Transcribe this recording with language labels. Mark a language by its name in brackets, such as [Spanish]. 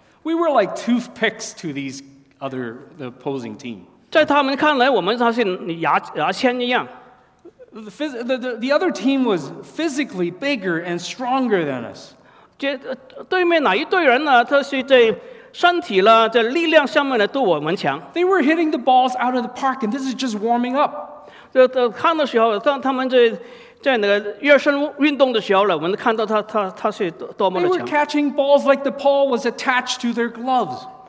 [English] We were like toothpicks to the opposing team. [Chinese] 在他们看来，我们像是牙签一样。 [English] The other team was physically bigger and stronger than us. [Chinese] 对面哪一队人呢？他是在身体了，在力量上面呢，都我们强。 [English] They were hitting the balls out of the park, and this is just warming up. [Chinese] 看的时候，当他们在那个热身运动的时候呢，我们看到他是多么的强。 [English] They were catching balls like the ball was attached to their gloves.